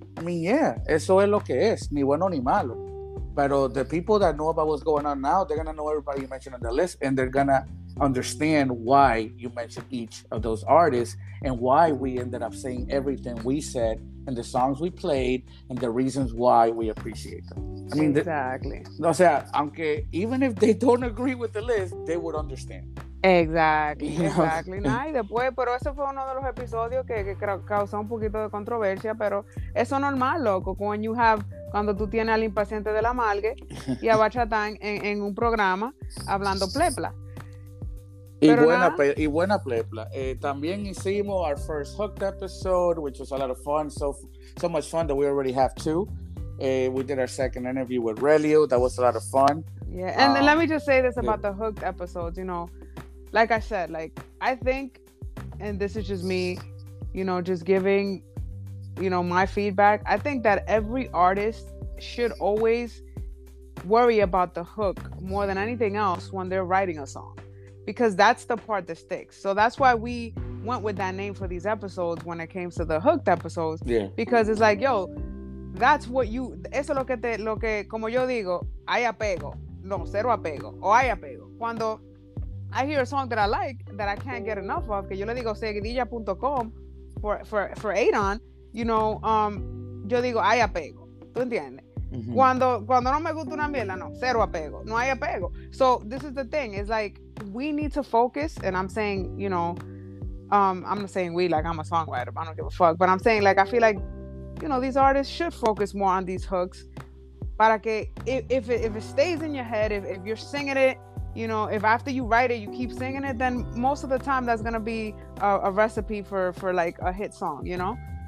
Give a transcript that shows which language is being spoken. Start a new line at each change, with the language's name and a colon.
English: I mean, yeah,
Spanish: eso es lo que es, ni bueno ni malo.
English: But the people that know about what's going on now, they're going to know everybody you mentioned on the list, and they're going to understand why you mentioned each of those artists and why we ended up saying everything we said and the songs we played and the reasons why we appreciate them. I mean, exactly.
Spanish: O sea, aunque
English: even if they don't agree with the list, they would understand. Exactly. You know? Exactly.
Spanish: Nah, y después, pero ese fue uno de los episodios que causó un poquito de controversia, pero eso normal, loco. Cuando tú tienes al impaciente de la Malgue y a Bachatán en un programa hablando plepla. Y buena plepla. También hicimos
English: our first hooked episode, which was a lot of fun. So much fun that we already have two. We did our second interview with Relio. That was a lot of fun. Yeah, and let me just say this about the hooked episodes. You know, like I said, like, I think, and this is just me, you know, just giving, you know, my feedback. I think that every artist should always worry about the hook more than anything else when they're writing a song. Because that's the part that sticks. So that's why we went with that name for these episodes when it came to the hooked episodes. Yeah. Because it's like, yo, that's what you...
Spanish: Eso es lo que, como yo digo, hay apego. No, cero apego. O hay apego. Cuando
English: I hear a song that I like that I can't get enough of,
Spanish: que yo le digo seguidilla.com for Adon, you know, yo digo, hay apego. ¿Tú entiendes? Mm-hmm. Cuando no me gusta una mierda, no, cero apego. No hay apego.
English: So this is the thing. It's like... We need to focus, and I'm saying, you know, I'm not saying we, like, I'm a songwriter, but I don't give a fuck, but I'm saying, like, I feel like, you know, these artists should focus more on these hooks,
Spanish: para que,
English: if it stays in your head, if you're singing it, you know, if after you write it, you keep singing it, then most of the time, that's gonna be a recipe for, like, a hit song, you know?